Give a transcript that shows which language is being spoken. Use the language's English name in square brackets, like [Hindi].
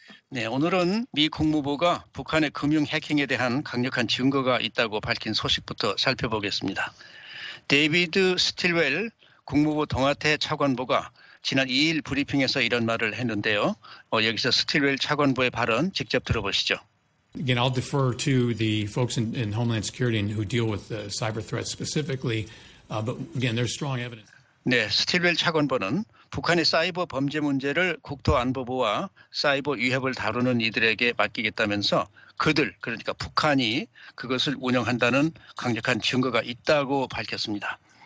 [Korean] 네, 오늘은 미 국무부가 북한의 금융 해킹에 대한 강력한 증거가 있다고 밝힌 소식부터 살펴보겠습니다. 데이비드 스틸웰 국무부 동아태 차관보가 지난 2일 브리핑에서 이런 말을 했는데요. 여기서 스틸웰 차관보의 발언 직접 들어보시죠. [English] Again, I'll defer to the folks in Homeland Security and who deal with the cyber threats specifically. But again, there's strong evidence. [Korean] 네, 스틸웰 차관보는 북한의 사이버 범죄 문제를 국토안보부와 사이버 위협을 다루는 이들에게 맡기겠다면서 그들, 그러니까 북한이 그것을 운영한다는 강력한 증거가 있다고 밝혔습니다.